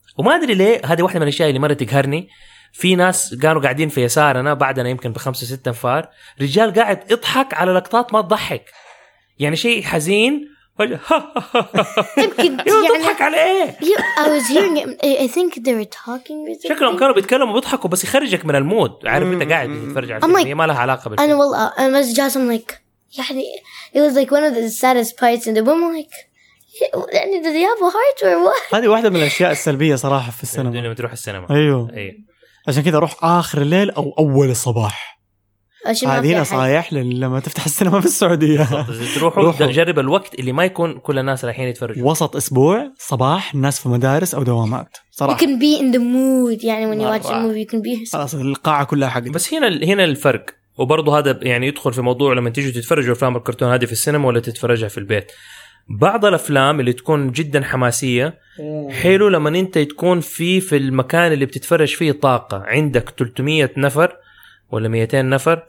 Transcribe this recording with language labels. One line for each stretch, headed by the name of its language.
Arabic: وما أدري ليه هذه واحدة من الأشياء اللي مرة تقهرني, في ناس كانوا قاعدين في يسارنا بعدنا يمكن ب5 أو 6 أنفار, رجال قاعد يضحك على لقطات ما تضحك, يعني شيء حزين يضحك على ايه.
English: I was hearing it. I think they were talking with it.
Arabic: شكلهم كانوا بيتكلموا وبيضحكوا بس يخرجك من المود, عارف انت قاعد تتفرج على الفيلم هي ما لها علاقة بالفيلم.
English: انا والله I was just like يعني it was like one of the saddest parts in the film. Like يعني did they have a heart or what.
Arabic: هذه واحدة من الاشياء السلبية صراحة في السينما, لما تروح السينما ايوه عشان كذا اروح اخر الليل او اول الصباح. هذه نصايح لما تفتح السينما في السعودية تروحوا تجرب الوقت اللي ما يكون كل الناس رايحين يتفرجوا, وسط أسبوع صباح الناس في مدارس أو دوامات صراحة.
English: You can be in the mood يعني when you watch a movie you can be.
Arabic: خلاص القاعة كلها حقتك. بس هنا الفرق, وبرضو هذا يعني يدخل في موضوع لما تيجوا تتفرجوا أفلام الكرتون هذه في السينما ولا تتفرجها في البيت. بعض الأفلام اللي تكون جدا حماسية حلو لما أنت تكون في المكان اللي بتتفرج فيه طاقة عندك 300 نفر ولا 200 نفر